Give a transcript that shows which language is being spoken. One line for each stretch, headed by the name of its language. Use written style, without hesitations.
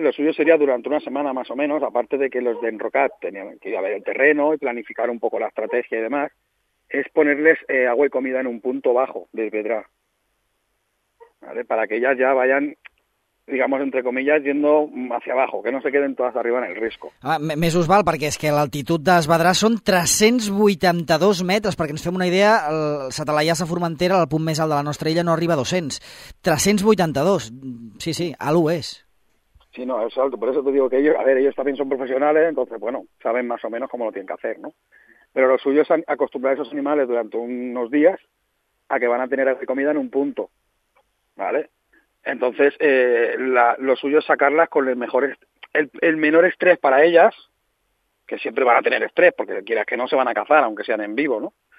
Spanish: Lo suyo sería durante una semana más o menos, aparte de que los de Enrocat tenían que ir a ver el terreno y planificar un poco la estrategia y demás, es ponerles agua y comida en un punto bajo del Vedrà, ¿vale? Para que ellas ya vayan, digamos, entre comillas, yendo hacia abajo, que no se queden todas arriba en el risco.
Catalan: Ah, més us val, perquè és que l'altitud d'Es Vedrà són 382 metres, perquè ens fem una idea, el Satalaias a Formentera, el punt més alt de la nostra illa, no arriba a 200. 382, sí, sí, algo és.
Spanish: Sí, no, es alto, por eso te digo que ellos, a ver, ellos también son profesionales, entonces, bueno, saben más o menos cómo lo tienen que hacer, ¿no? Pero lo suyo es acostumbrar a esos animales durante unos días a que van a tener comida en un punto, ¿vale? Entonces, lo suyo es sacarlas con el mejor, el menor estrés para ellas, que siempre van a tener estrés, porque quieras que no, se van a cazar, aunque sean en vivo, ¿no?